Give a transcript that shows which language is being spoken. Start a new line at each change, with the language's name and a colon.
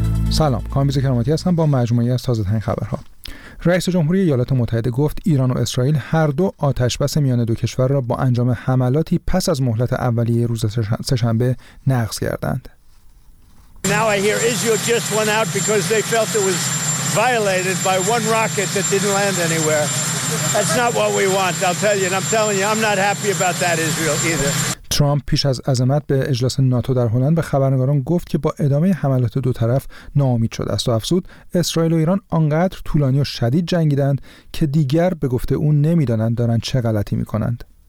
Persian: سلام، کامبیز کرامتی هستم با مجموعه‌ای از تازه‌ترین خبرها. رئیس جمهوری ایالات متحده گفت ایران و اسرائیل هر دو آتش‌بس میان دو کشور را با انجام حملاتی پس از مهلت اولیه روز سه‌شنبه نقض کردند.
English: Now I hear Israel just went out because they felt it was violated by one rocket that didn't land anywhere. That's not what we want. I'll tell you, and I'm telling you, I'm not happy about that Israel either.
Persian: ترامپ پیش از عزمت به اجلاس ناتو در هلند به خبرنگاران گفت که با ادامه حملات دو طرف ناامید شده است و افزود اسرائیل و ایران آنقدر طولانی و شدید جنگیدند که دیگر به گفته اون نمیدانند دارن چه غلطی میکنند.